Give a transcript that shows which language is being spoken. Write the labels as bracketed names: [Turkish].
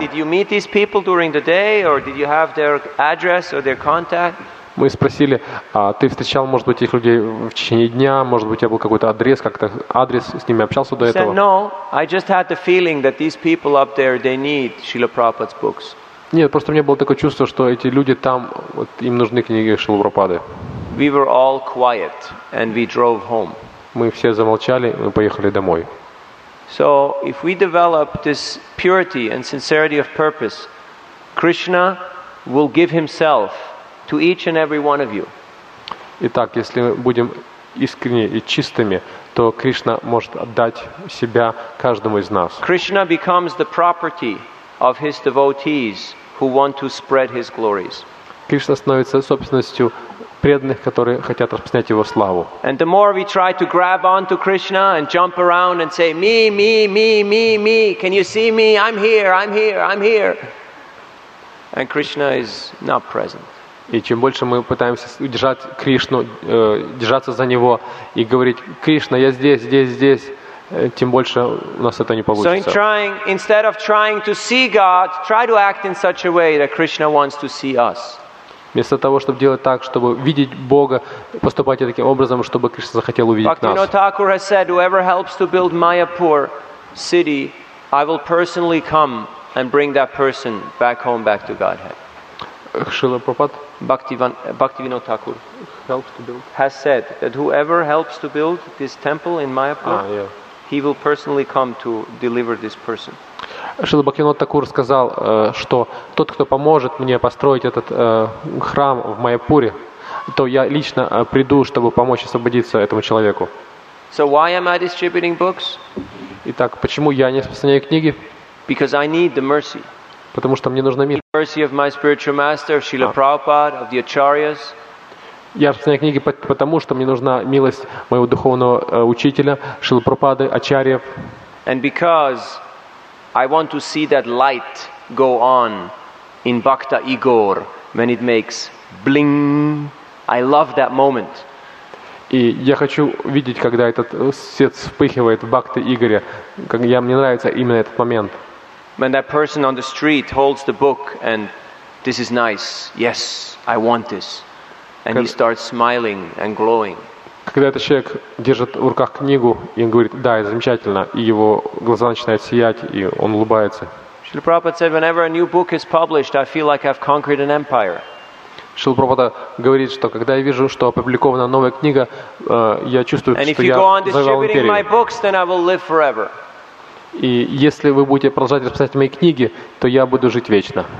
[English] And we asked, "Did you meet these people during the day, or did you have their address or their contact?" [Russian] Мы спросили, а ты встречал, может быть, этих людей в течение дня, может быть, у тебя был какой-то адрес, как-то адрес с ними общался до этого? [English] No, I just had the feeling that these people up there, they need Srila Prabhupada's books. [Russian] Нет, просто у меня было такое чувство, что эти люди там, вот им нужны книги Шрилы Прабхупады. [English] We were all quiet and we drove home. [Russian] Мы все замолчали, мы поехали домой. [English] So, if we develop this purity and sincerity of purpose, Krishna will give himself to each and every one of you. [Russian] Итак, если мы будем искренне и чистыми, то Кришна может отдать себя каждому из нас. [English] Krishna becomes the property of his devotees who want to spread his glories. [Russian] Кришна становится собственностью преданных, которые хотят распространять его славу. [English] And the more we try to grab onto Krishna and jump around and say, "Me, me, me, me, me, can you see me? I'm here, I'm here, I'm here." And Krishna is not present. [Russian] И чем больше мы пытаемся удержать Кришну, держаться за Него и говорить: "Кришна, я здесь, здесь, здесь", тем больше у нас это не получится. [English] So in trying, instead of trying to see God, try to act in such a way that Krishna wants to see us. [Russian] Вместо того, чтобы делать так, чтобы видеть Бога, поступайте таким образом, чтобы Кришна захотел увидеть нас. [English] Bhaktivinoda Thakur has said, whoever helps to build Mayapur city, I will personally come and bring that person back home, back to Godhead. [Russian] Шрила Прабхупад [English] Bhaktivinoda Thakur has said that whoever helps to build this temple in Mayapur, he will personally come to deliver this person. [Russian] Шрила Бхактивинода Такур сказал, что тот, кто поможет мне построить этот храм в Майяпуре, то я лично приду, чтобы помочь освободиться этому человеку. [English] So why am I distributing books? [Russian] Итак, почему я не распространяю книги? [English] Because I need the mercy. [Russian] Потому что мне нужна милость. [English] Mercy of my spiritual master, of Srila Prabhupada, of the Acharyas. [Russian] Я распространяю книги потому, что мне нужна милость моего духовного учителя, Шрилы Прабхупады, Ачарьев. [English] And because I want to see that light go on in Bhakta Igor when it makes bling. I love that moment. [Russian] И я хочу видеть, когда этот свет вспыхивает в Бхакта Игоре. Мне нравится именно этот момент. [English] When that person on the street holds the book and this is nice. Yes, I want this. And he starts smiling and glowing. [Russian] Когда этот человек держит в руках книгу и говорит, да, это замечательно, и его глаза начинают сиять, и он улыбается. [English] Шрила Прабхупада said, whenever a new book is published, I feel like I've conquered an empire. [Russian] Шрила Прабхупада говорит, что когда я вижу, что опубликована новая книга, я чувствую, [English] and [Russian] что я завоевал империю. [English] And if you go on distributing my books, then I will live forever. [Russian] И если вы будете продолжать распространять мои книги, то я буду жить вечно.